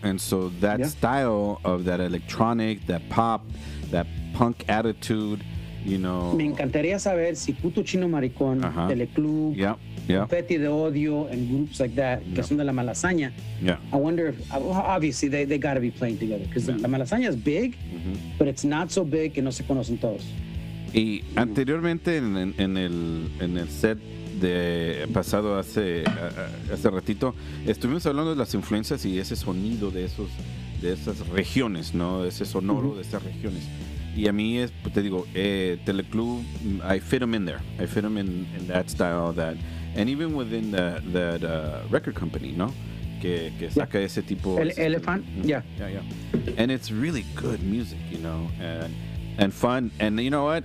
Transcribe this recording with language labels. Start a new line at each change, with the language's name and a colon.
English: And so that style of that electronic, that pop, that punk attitude, you know?
Spanish: Me encantaría saber si Puto Chino Maricón, Teleclub, Confetti de Odio,
English: and groups like that,
Spanish: que son de La Malasaña.
English: Yeah. I wonder if, obviously, they got to be playing together, because La Malasaña is big, but it's not so big
Spanish: que no se conocen todos. Y anteriormente, en el set de pasado hace ratito, estuvimos hablando de las influencias y ese sonido de esas regiones, ¿no? Ese sonoro de esas regiones. Y a mí es, te digo,
English: Teleclub, I fit them in there. I fit them in that style, that... And even within that record company,
Spanish: ¿no? Que saca ese tipo...
English: Elephant, And it's really good music, you know, and fun. And you know what?